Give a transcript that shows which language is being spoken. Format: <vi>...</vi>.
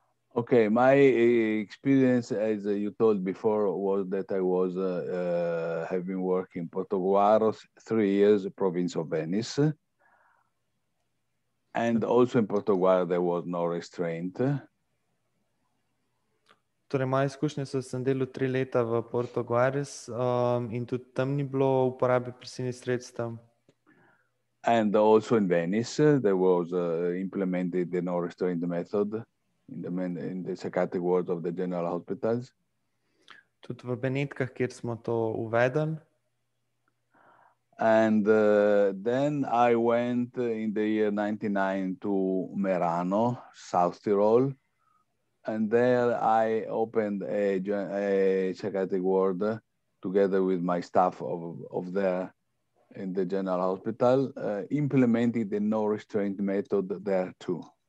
<en>Okay, my experience, as you told before, was that I was have been working in Portoguaro 3 years, province of Venice. And also in Portugal there was no restraint.</en> <sl>Torej, moje izkušnje so, sem delal 3 leta v Portoguares in tudi tam ni bilo uporabe prisilnih sredstev.</sl> <en>And also in Venice there was implemented the no restraint method in the psychiatric ward of the general hospitals.</en> <sl>Tudi v Benetkah, kjer smo to uvedli.</sl> <en>And then I went in the year 99 to Merano, South Tyrol, and there I opened a psychiatric ward together with my staff of there in the general hospital, implementing the no restraint method there too.</en>